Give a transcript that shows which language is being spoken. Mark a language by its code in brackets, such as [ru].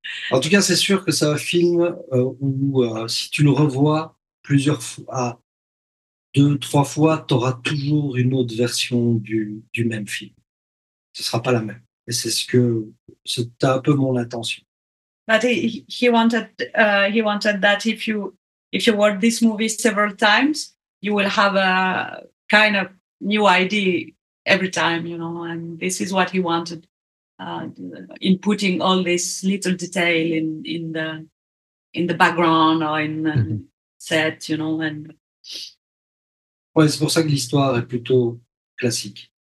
[fr] En tout cas, c'est sûr que c'est un film où si tu le revois plusieurs fois, deux, trois fois, tu auras toujours une autre version du même film. Ce ne sera pas la même. Et c'est un peu mon intention. [en] But he wanted that if you watch this movie several times, you will have a kind of new idea every time, you know, and this is what he wanted in putting all this little detail in the background or in the mm-hmm. set, you know. And [fr] ouais, c'est pour ça que l'histoire est plutôt classique.